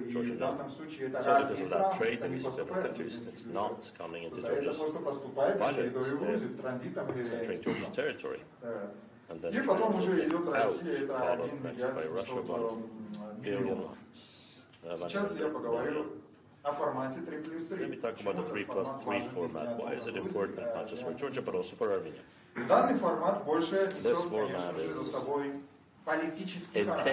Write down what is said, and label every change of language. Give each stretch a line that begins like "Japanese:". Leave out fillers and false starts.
Russian: и в данном случае это разные страны, это не поступает в Грузию. Это просто поступает в территорию Грузии, транзитом или экспортом. И потом уже идет Россия, это 1 миллиард 700 миллионов. Сейчас я поговорю о формате 3+3.
English: Let me talk about the 3+3 format. Why is it important, not just for Georgia, but also for Armenia?
Russian: Данный формат больше несет, конечно же, за собой политический характер.